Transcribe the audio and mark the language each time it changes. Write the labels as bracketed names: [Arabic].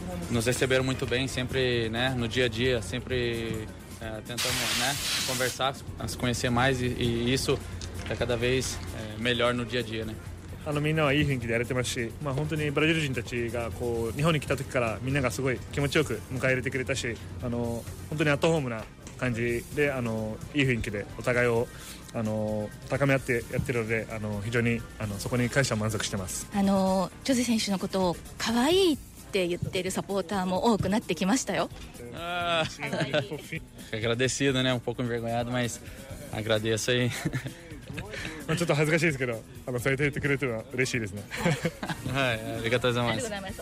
[Portuguese] Nos receberam muito bem, sempre, né, no dia a dia, sempre tentando, né, conversar, se conhecer mais e isso é cada vez melhor no dia a dia, né? [Japanese] みんなはいい雰囲気でやれてますし、まあ、本当にブラジル人たちがこう日本に来た時からみんながすごい気持ちよく迎え入れてくれたし、本当にアットホームな感じで、いい雰囲気でお互いを高め合ってやってるので、非常にそこに感謝満足してます。ジョゼ選手のことを可愛いって言ってるサポーターも多くなってきましたよ。 [Portuguese] あ、agradecido, né? Um pouco envergonhado, mas agradeço aí. [Japanese] ちょっと恥ずかしいですけど、そうやって言ってくれては嬉しいですね。はい、ありがとうございます。